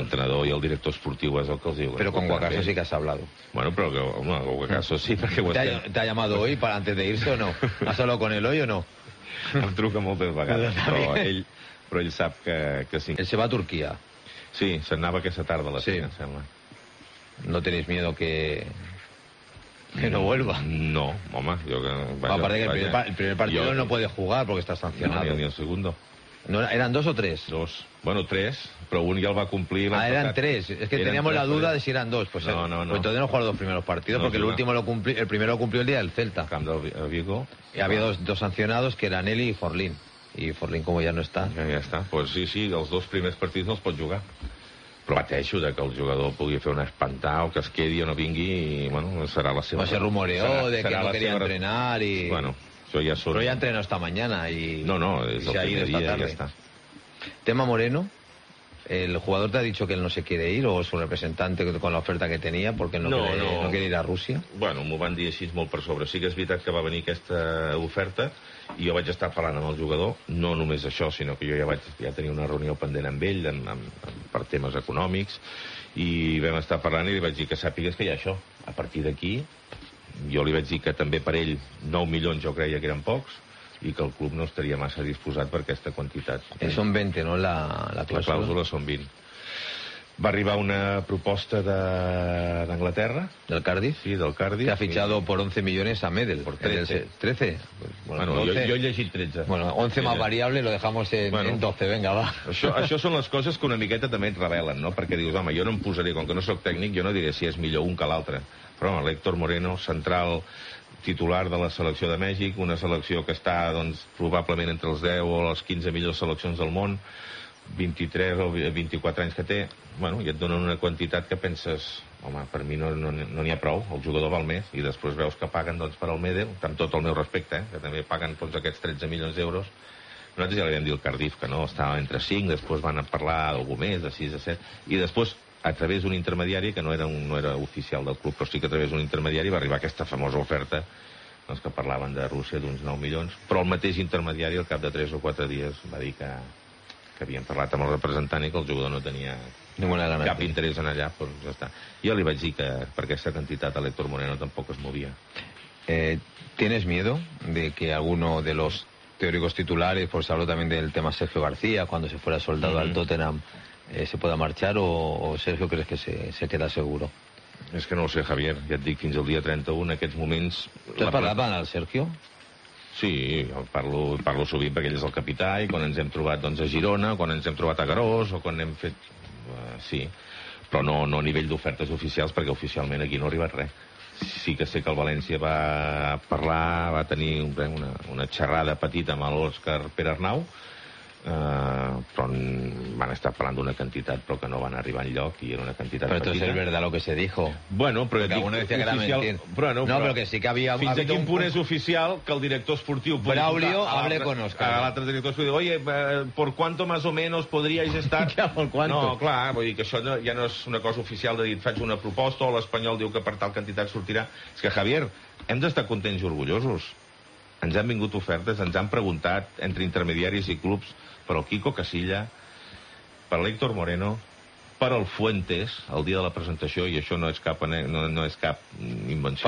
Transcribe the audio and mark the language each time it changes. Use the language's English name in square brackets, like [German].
[Catalan] L'entrenador i el director esportiu és el que els diu. [Spanish] Però con Guacaso [Catalan] sí que [Spanish] has hablado. [Catalan] Bueno, però Guacaso sí, perquè... [Spanish] ¿Te ha llamado hoy para antes de irse o no? ¿Has hablado con él hoy o no? [Catalan] Em truca moltes vegades, però ell sap que sí. Ell se va a Turquia. Sí, se'n anava aquesta tarda a la Xina, sembla. [Spanish] No tenéis miedo que no vuelva. [Catalan] No, home, jo que... [Spanish] Aparte que el primer partido no puede jugar porque está sancionado. Ni el segundo. No, ¿eran dos o tres? Dos. [Catalan] Bueno, tres, però un ja el va complir. [Spanish] Ah, eran tres. Es que teníamos la duda de si eran dos. Pues no. Pues entonces no jugaron dos primeros partidos, porque el primero lo cumplió el día del Celta. [Catalan] Camp del Vigo. [Spanish] Y había dos sancionados, que eran Eli y Forlín. Y Forlín, como ya no está... [Catalan] Ja està. Pues sí, els dos primers partits no els pot jugar. Però pateixo que el jugador pugui fer un espantar o que es quedi o no vingui i, bueno, serà la seva... Va ser [Spanish] rumoreó de que no quería entrenar i... [Catalan] Bueno, això ja surt. Però ja [Spanish] entreno esta mañana i... [Catalan] No, és el primer dia i ja està. [Spanish] Tema Moreno, el jugador te ha dicho que él no se quiere ir o su representante con la oferta que tenía porque no quiere ir a Rusia. [Catalan] Bueno, m'ho van dir així molt per sobre. Sí que és veritat que va venir aquesta oferta i jo vaig estar parlant amb el jugador, no només això, sinó que jo ja tenia una reunió pendent amb ell per temes econòmics, i vam estar parlant i li vaig dir que sàpigues que hi ha això. A partir d'aquí, jo li vaig dir que també per ell 9 milions jo creia que eren pocs, i que el club no estaria massa disposat per aquesta quantitat. Són 20, no? La clàusula. La clàusula són 20. Va arribar una proposta d'Anglaterra. Del Cardiff? Sí, del Cardiff. [Spanish] Que ha fichado por 11 millones a Medel. Por 13. 13? [Catalan] Bueno, 12. Jo he llegit 13. [Spanish] Bueno, 11 más variable, lo dejamos en 12, venga, va. [Catalan] Això són les coses que una miqueta també et revelen, no? Perquè dius, home, jo no em posaré, com que no soc tècnic, jo no diré si és millor un que l'altre. Però, home, l'Héctor Moreno, central... titular de la selecció de Mèxic, una selecció que està, doncs, probablement entre els 10 o les 15 millors seleccions del món, 23 o 24 anys que té, bueno, i et donen una quantitat que penses, home, per mi no n'hi ha prou, el jugador val més, i després veus que paguen, doncs, per el Medel, amb tot el meu respecte, que també paguen, doncs, aquests 13 milions d'euros. Nosaltres ja li vam dir al Cardiff que no, estava entre 5, després van a parlar d'algú més, de 6, de 7, i després... a través d'un intermediari, que no era oficial del club, però sí que a través d'un intermediari va arribar aquesta famosa oferta, doncs, que parlaven de Rússia d'uns 9 milions, però el mateix intermediari, al cap de 3 o 4 dies, va dir que havien parlat amb el representant i que el jugador no tenia cap interès en allà. Doncs ja està. Jo li vaig dir que per aquesta quantitat a l'Héctor Moreno tampoc es movia. ¿Tienes miedo de que alguno de los teóricos titulares, pues hablo también del tema Sergio García, cuando se fuera soldado al Tottenham, se pueda marchar o Sergio crees que se queda seguro? És que no ho sé, Javier, ja et dic, fins al dia 31 en aquests moments... Tu has parlat amb el Sergio? Sí, jo parlo sovint perquè ell és el capità, i quan ens hem trobat, doncs, a Girona, quan ens hem trobat a Garòs o quan hem fet... sí, però no a nivell d'ofertes oficials, perquè oficialment aquí no ha arribat res. Sí que sé que el València va parlar, va tenir una xerrada petita amb l'Òscar Perarnau, però van estar parlant d'una quantitat, però que no van arribar enlloc, i era una quantitat petita. Però això és [Spanish] verdad lo que se dijo. [Catalan] Bueno, però [Spanish] que alguna vez era oficial... [Catalan] però que sí que havia... Fins a quin punt és oficial que el director esportiu... [Spanish] Braulio, hable con Oscar. [Catalan] A l'altre director esportiu, [Spanish] oye, ¿por cuánto más o menos podríais estar...? Ja, ¿por cuánto? [Catalan] No, clar, vull dir que això ja no és una cosa oficial de dir, faig una proposta, o l'Espanyol diu que per tal quantitat sortirà. És que, Javier, hem d'estar contents i orgullosos. Ens han vingut ofertes, ens han preguntat entre intermediaris i clubs per el Kiko Casilla, per l'Héctor Moreno, per el Fuentes, el dia de la presentació, i això no és cap, no és cap invenció.